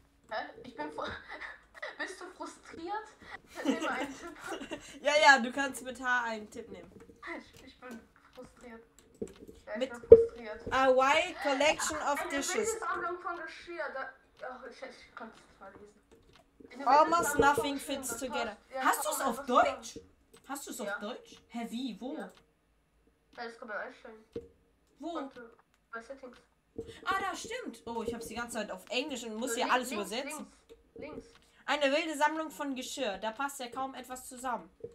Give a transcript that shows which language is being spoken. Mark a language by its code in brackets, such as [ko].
[de] Hä? Ich bin vor. Bist du frustriert? Nimm einen Tipp. Ja, du kannst mit H einen Tipp nehmen. Ich bin frustriert. Ich bin frustriert. [en] A wild collection of dishes. [de] Eine Wildesammlung von Geschirr. Ich kann es verlesen. [en] Almost nothing fits together. [de] Ja, hast du es auf Deutsch? Sagen. Hast du es auf Deutsch? Hä, wie? Wo? Ja. Das kann man einstellen. Wo? Und, bei Settings. Ah, da stimmt. Oh, ich hab's die ganze Zeit auf Englisch und muss hier alles links, übersetzen. Links. Eine wilde Sammlung von Geschirr. Da passt ja kaum etwas zusammen.